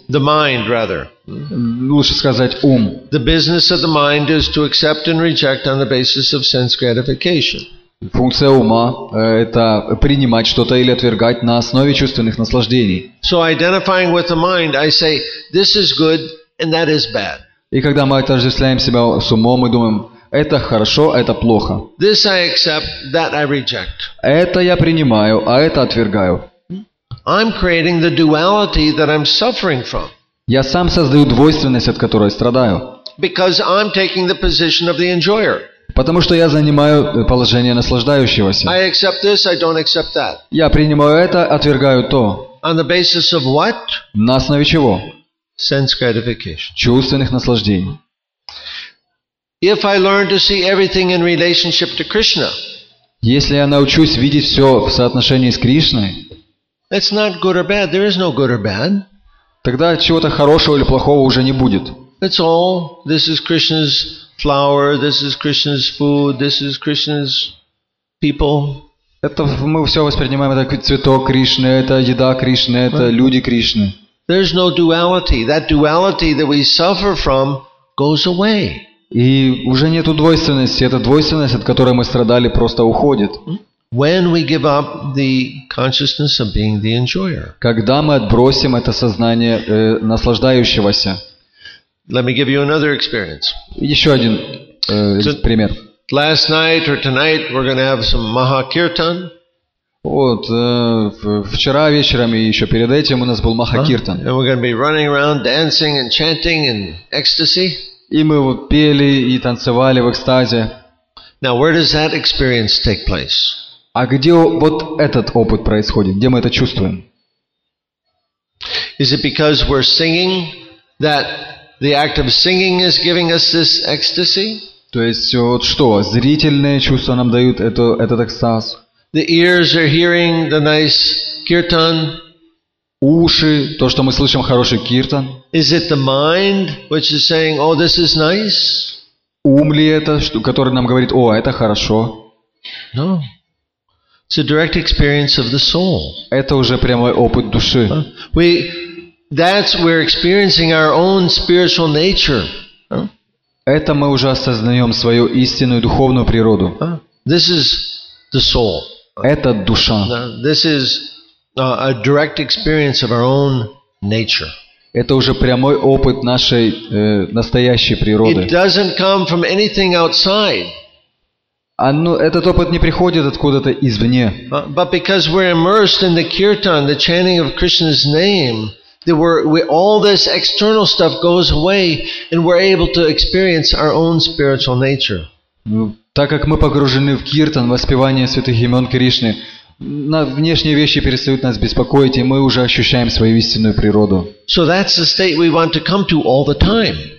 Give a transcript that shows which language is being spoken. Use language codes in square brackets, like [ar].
[en] The mind, rather. [ru] Лучше сказать, ум. [en] The business of the mind is to accept and reject on the basis of sense gratification. [ru] Функция ума — это принимать что-то или отвергать на основе чувственных наслаждений. [en] So identifying with the mind, I say, this is good and that is bad. [ru] И когда мы отождествляем себя с умом, мы думаем, это хорошо, это плохо. [en] This I accept, that I reject. [ru] Это я принимаю, а это отвергаю. [en] I'm creating the duality that I'm suffering from. [ru] Я сам создаю двойственность, от которой страдаю. [en] Because I'm taking the position of the enjoyer. [ru] Потому что я занимаю положение наслаждающегося. [en] I accept this, I don't accept that. [ru] Я принимаю это, отвергаю то. [en] On the basis of what? [ru] На основе чего? [en] Sense gratification. [ru] Чувственных наслаждений. [en] If I learn to see everything in relationship to Krishna, [ru] если я научусь видеть все в соотношении с Кришной, [en] it's not good or bad. There is no good or bad. [ru] Тогда чего-то хорошего или плохого уже не будет. [en] It's all. This is Krishna's flower. This is Krishna's food. This is Krishna's people. [ru] Это мы все воспринимаем как цветок Кришны, это еда Кришны, это люди Кришны. [en] There's no duality. That duality that we suffer from goes away. [ru] И уже нету двойственности. Эта двойственность, от которой мы страдали, просто уходит. [en] When we give up the consciousness of being the enjoyer. [ru] Когда мы отбросим это сознание наслаждающегося. [en] Let me give you another experience. [ru] Еще один пример. [en] Last night or tonight we're going to have some Mahakirtan. [ru] Вот, вчера вечером и еще перед этим у нас был Mahakirtan. [en] And we're going to be running around dancing and chanting in ecstasy. [ru] И мы вот пели и танцевали в экстазе. [en] Now where does that experience take place? [ru] А где вот этот опыт происходит? Где мы это чувствуем? [en] Is it because we're singing that the act of singing is giving us this ecstasy? [ru] То есть вот что, зрительные чувства нам дают этот экстаз? [en] The ears are hearing the nice kirtan. [ru] Уши, то, что мы слышим хороший киртан. [en] Is it the mind which is saying, "Oh, this is nice"? [ru] Ум ли это, который нам говорит, о, это хорошо? [en] No. It's a direct experience of the soul. [ru] Это уже прямой опыт души. [en] We're experiencing our own spiritual nature. [ru] Это мы уже осознаем свою истинную духовную природу. [en] This is the soul. [ru] Это душа. [en] This is a direct experience of our own nature. [ru] Это уже прямой опыт нашей настоящей природы. [en] It doesn't come from anything outside. [ru] Этот опыт не приходит откуда-то извне. [en] But because we're immersed in the kirtan, the chanting of Krishna's name, all this external stuff goes away, and we're able to experience our own spiritual nature. [ru] Так как мы погружены в киртан, воспевание святых имен Кришны, внешние вещи перестают нас беспокоить, и мы уже ощущаем свою истинную природу. [en] So that's the state we want to come to all the time.